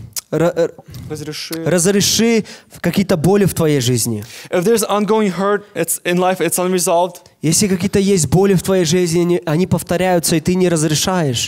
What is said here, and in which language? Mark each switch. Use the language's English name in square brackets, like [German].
[Russian] Разреши какие-то боли в твоей жизни. [English] If there's ongoing hurt, it's in life, it's unresolved. [Russian] Если какие-то есть боли в твоей жизни, они повторяются, и ты не разрешаешь.